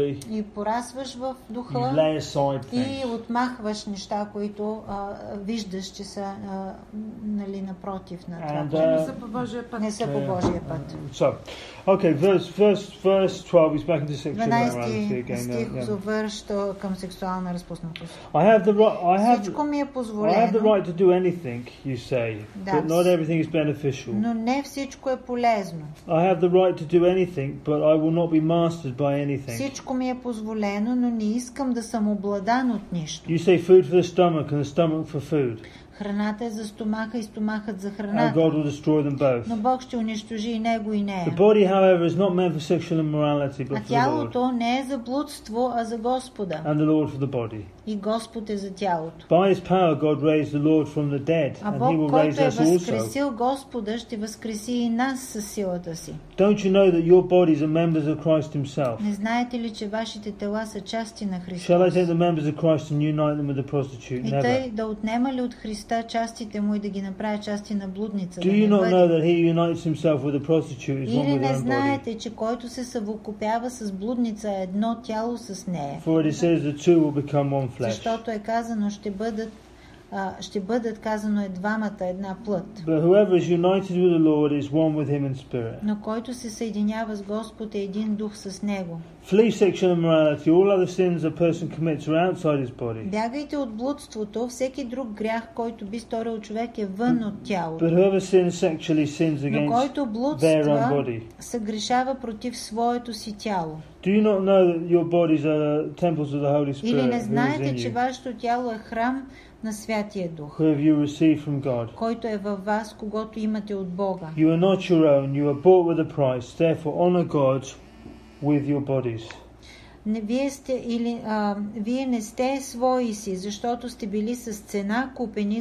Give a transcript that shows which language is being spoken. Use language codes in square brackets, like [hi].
[bg] И порасваш в духа и отмахваш неща, които виждаш, че са нали, напротив на това. Не са по Божия път. [en] Verse 12 is back into sexual immorality again. [bg] 12 стих завършва към сексуална разпуснатост. [en] I have the right to do anything, you say, but not everything is beneficial. [bg] Но не всичко е полезно. [en] I have the right to do anything, but I will not be mastered by anything. [bg] Всичко ми е позволено, но не искам да съм обладан от нищо. [en] You say food for the stomach and the stomach for food. [bg] Храната е за стомаха и стомахът за храна. [en] And God will destroy them both. [bg] Но Бог ще унищожи и него и нея. [en] The body, however, is not meant for sexual immorality, but for the Lord. [bg] А тялото не е за блудство, а за Господа. [en] And the Lord for the body. [bg] И Господ е за тялото. [en] By His power, God raised the Lord from the dead, а and He will raise е us also. [bg] А Бог, който е възкресил Господа, ще възкреси и нас със силата си. [en] Don't you know that your bodies are members of Christ Himself? [bg] Не знаете ли, че вашите тела са части на Христос? [en] Shall I take the members of Christ and unite them with the prostitute? Never. [bg] И тъй да отнема ли от Христа частите му и да ги направя части на блудница? [en] Do you not know that he unites himself with a prostitute? [bg] Или не знаете, че който се съвокупява с блудница е едно тяло с нея? [en] For it says the two will become one flesh. [bg] Защото е казано, ще бъдат ще бъдат казано е двамата една плът. [en] But whoever is united with the Lord is one with him in spirit. [bg] Но който се съединява с Господ е един дух с него. [en] Flee sexual immorality. All other sins a person commits are outside his body. [bg] Бягайте от блудството, всеки друг грях, който би сторил човек е вън от тялото. [en] But whoever sins sexually sins against their own body. [bg] Съгрешава против своето си тяло. [en] Do you not know that your bodies are temples of the Holy Spirit? [bg] Или не знаете, че вашето тяло е храм на Святия Дух, [en] who have you received from God? [bg] Който е във вас, когото имате от Бога. [en] You are not your own. You are bought with a price. Therefore, honor God with your bodies. [bg] Не, вие сте или вие не сте свои си, защото сте били с цена купени.